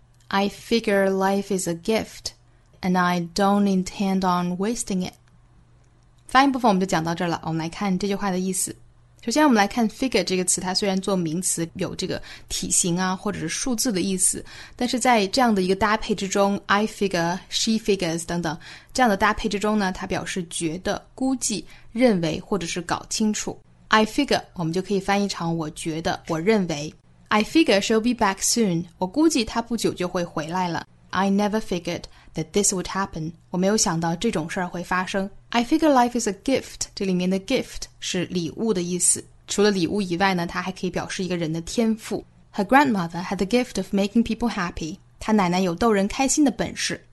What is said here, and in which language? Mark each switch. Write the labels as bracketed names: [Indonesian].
[English] I figure life is a gift, and I don't intend on wasting it. [Chinese] 发音部分我们就讲到这儿了。我们来看这句话的意思。首先，我们来看 figure 这个词，它虽然做名词有这个体型啊，或者是数字的意思，但是在这样的一个搭配之中 ，I figure, she figures 等等这样的搭配之中呢，它表示觉得、估计、认为或者是搞清楚。 I figure, 我们就可以翻译成我觉得、我认为。 [English] I figure she'll be back soon. [Chinese] 我估计她不久就会回来了。 [English] I never figured that this would happen. [Chinese] 我没有想到这种事儿会发生。 [English] I figure life is a gift. [Chinese] 这里面的 gift 是礼物的意思。除了礼物以外呢，它还可以表示一个人的天赋。 [English] Her grandmother had the gift of making people happy. [Chinese] 她奶奶有逗人开心的本事。